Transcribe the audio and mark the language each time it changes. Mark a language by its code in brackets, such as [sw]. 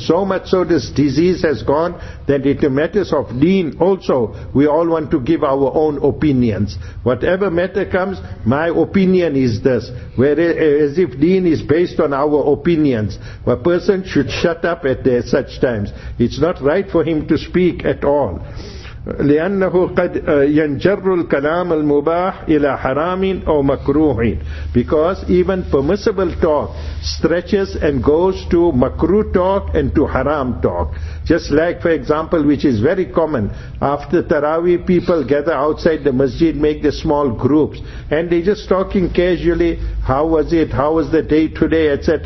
[en] So much so this disease has gone, that in the matters of deen also, we all want to give our own opinions. Whatever matter comes, my opinion is this. As if deen is based on our opinions. A person should shut up at such times. It's not right for him to speak at all. [ar] لأنه قد ينجر الكلام المباح إلى حرام أو مكروه. [en] Because even permissible talk stretches and goes to makruh talk and to haram talk. Just like, for example, which is very common, after Taraweeh people gather outside the masjid, make the small groups, and they just talking casually, how was it, how was the day today, etc.